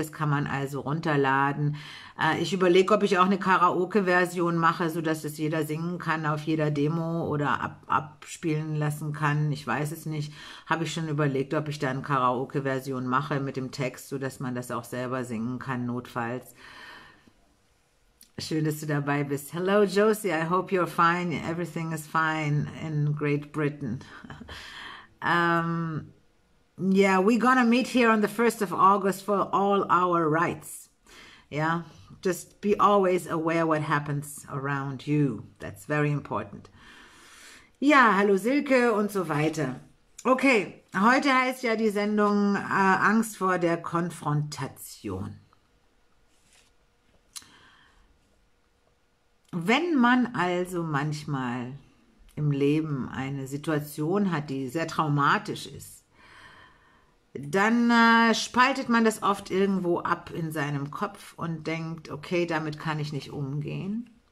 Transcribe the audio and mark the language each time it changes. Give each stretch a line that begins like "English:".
German: Das kann man also runterladen. Ich überlege, ob ich auch eine Karaoke-Version mache, sodass es jeder singen kann auf jeder Demo oder abspielen lassen kann. Ich weiß es nicht. Habe ich schon überlegt, ob ich da eine Karaoke-Version mache mit dem Text, sodass man das auch selber singen kann, notfalls. Schön, dass du dabei bist.
English: Hello, Josie. I hope you're fine. Everything is fine in Great Britain. Yeah, we're gonna meet here on the 1st of August for all our rights. Yeah, just be always aware what happens around you. That's very important.
German: Ja, hallo Silke und so weiter. Okay, heute heißt ja die Sendung Angst vor der Konfrontation. Wenn man also manchmal im Leben eine Situation hat, die sehr traumatisch ist, dann spaltet man das oft irgendwo ab in seinem Kopf und denkt, okay, damit kann ich nicht umgehen.